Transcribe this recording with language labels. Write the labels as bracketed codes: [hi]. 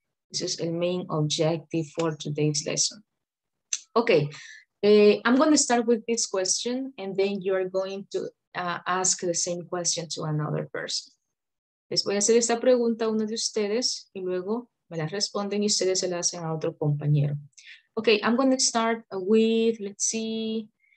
[en] This is the main objective for today's lesson. Ok, I'm going to start with this question and then you are going to ask the same question to another person. [es] Les voy a hacer esta pregunta a uno de ustedes y luego me la responden y ustedes se la hacen a otro compañero. [en] Ok, I'm going to start with, let's see.